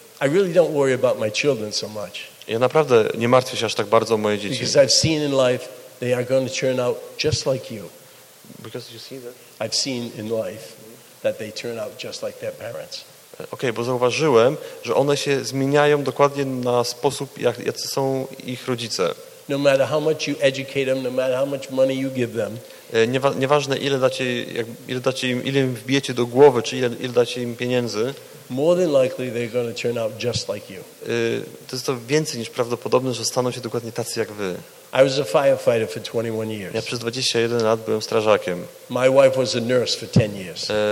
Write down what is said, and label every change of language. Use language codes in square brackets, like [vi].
[en] I really don't worry about my children so much. [pl] Ja naprawdę nie martwię się aż tak bardzo o moje dzieci. [en] Because I've seen in life they are going to turn out just like you. Because you see that? I've seen in life that they turn out just like their parents. [pl] Okej, bo zauważyłem, że one się zmieniają dokładnie na sposób, jacy są ich rodzice. [en] No matter how much you educate them, no matter how much money you give them. [pl] Nieważne ile wbijecie do głowy, czy ile dacie im pieniędzy. [en] More than likely they're going to turn out just like you. [pl] To jest to więcej niż prawdopodobne, że staną się dokładnie tacy jak wy. [en] I was a firefighter for 21 years. [pl] Ja przez 21 lat byłem strażakiem. [en] My wife was a nurse for 10 years.